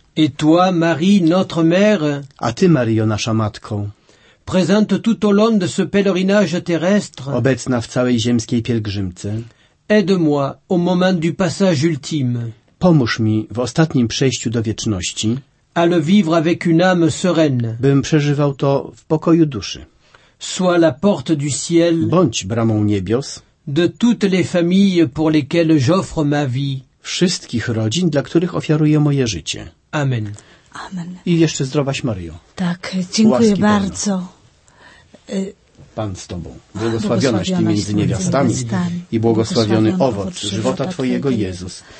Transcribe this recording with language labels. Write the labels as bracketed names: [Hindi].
[French] Et toi, Marie, notre mère, [Polish] a ty, Mario, nasza matko, [French] présente tout au long de ce pèlerinage terrestre, [Polish] obecna w całej ziemskiej pielgrzymce, [French] aide-moi au moment du passage ultime, [Polish] pomóż mi w ostatnim przejściu do wieczności, [French] à le vivre avec une âme sereine, [Polish] bym przeżywał to w pokoju duszy, [French] sois la porte du ciel, [Polish] bądź bramą niebios, [French] de toutes les familles pour lesquelles j'offre ma vie, [Polish] wszystkich rodzin, dla których ofiaruję moje życie. [French] Amen. [Polish] Amen. I jeszcze zdrowaś, Mario. Tak, dziękuję łaski bardzo. Pan z Tobą. Błogosławionaś Ty między niewiastami i błogosławiony owoc żywota Twojego, Jezus.